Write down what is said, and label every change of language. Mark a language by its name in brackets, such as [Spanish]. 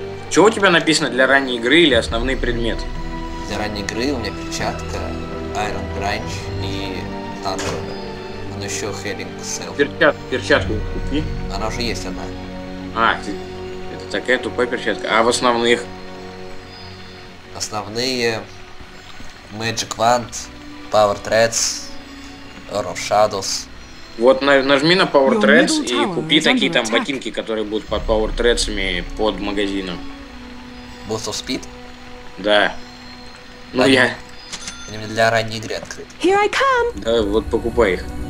[Russian] Что у тебя написано для ранней игры или основные предметы? Для ранней игры у меня перчатка, Iron Branch и Thunder. Он еще Healing Self. Перчатку купи. Она уже есть, она. А, это такая тупая перчатка. А в основных? Основные Magic Wand, Power Threads, Of Shadows. Вот нажми на Power Threads и купи такие там ботинки, которые будут под Power Threads под магазином. Boost of Speed? Да. Ну я. Они для ранней игры открыты. [English] Here I come! [Russian] Да, вот покупай их.